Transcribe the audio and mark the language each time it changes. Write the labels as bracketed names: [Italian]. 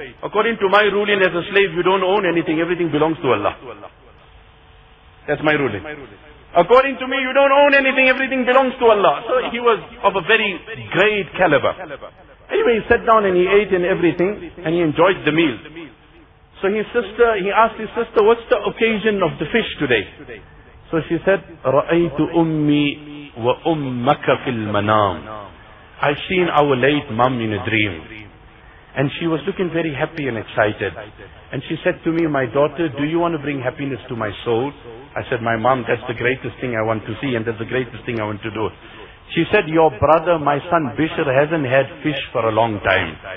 [English] According to my ruling, as a slave, you don't own anything. Everything belongs to Allah. That's my ruling. According to me, you don't own anything. Everything belongs to Allah. So he was of a very great caliber. Anyway, he sat down and he ate and everything and he enjoyed the meal. So he asked his sister, what's the occasion of the fish today? So she said, [Arabic] رَأَيْتُ أُمِّي وَأُمَّكَ فِي الْمَنَامِ. [English] I've seen our late mum in a dream. And she was looking very happy and excited. And she said to me, my daughter, do you want to bring happiness to my soul? I said, my mom, that's the greatest thing I want to see and that's the greatest thing I want to do. She said, your brother, my son Bishr, hasn't had fish for a long time.